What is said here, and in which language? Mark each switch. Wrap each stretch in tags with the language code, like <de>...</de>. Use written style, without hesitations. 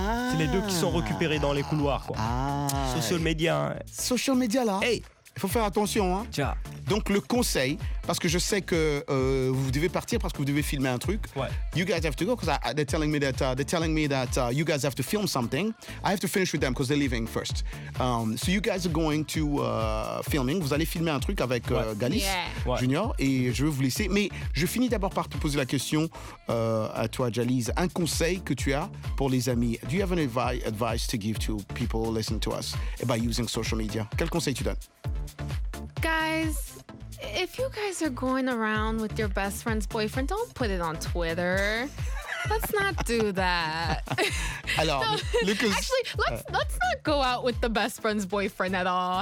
<fr>C'est les deux qui sont récupérées dans les couloirs, quoi.</fr> <en>Social media, là.</en> <fr>Hey. Il faut faire attention. Hein. Ciao. Donc, le conseil, parce que je sais que vous devez partir parce que vous devez filmer un truc. Ouais.</fr> <en>You guys have to go because they're telling me that you guys have to film something. I have to finish with them because they're leaving first. So, you guys are going to filming.</en> <fr>Vous allez filmer un truc avec Ganis Junior et je vais vous laisser. Mais je finis d'abord par te poser la question à toi, Jalise. Un conseil que tu as pour les amis.</fr> <en>Do you have any advice to give to people listening to us about using social media?</en> <fr>Quel conseil tu donnes?</fr> <en>Guys, if you guys are going around with your best friend's boyfriend, don't put it on Twitter. Let's not do that. let's not go out with the best friend's boyfriend at all.</en>